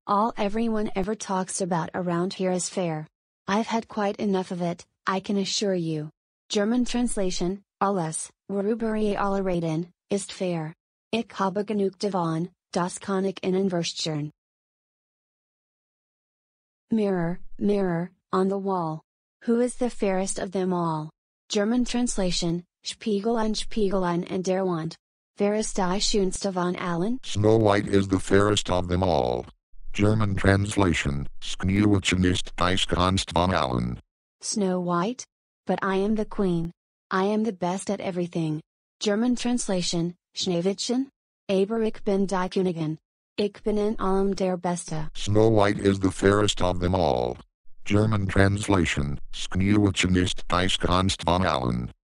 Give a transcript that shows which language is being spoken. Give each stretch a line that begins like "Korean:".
English: All everyone ever talks about around here is fair. I've had quite enough of it, I can assure you. German translation,
German: alles, worüber ihr alle reden, ist fair. Ich habe genug davon, das kann ich Ihnen versichern.
English: Mirror, mirror, on the wall. Who is the fairest of them all? German translation,
German: Spiegelein, Spiegelein in der Wand. Wer ist die schönste von allen?
English: Snow White is the fairest of them all. German translation,
German: Schneewittchen ist die schönste von allen.
English: Snow White? But I am the queen. I am the best at everything. German translation,
German: Schneewittchen? Aber ich bin die Königin. Ich bin in allem der Beste.
English: Snow White is the fairest of them all. German translation,
German: Schneewittchen ist die schönste von allen.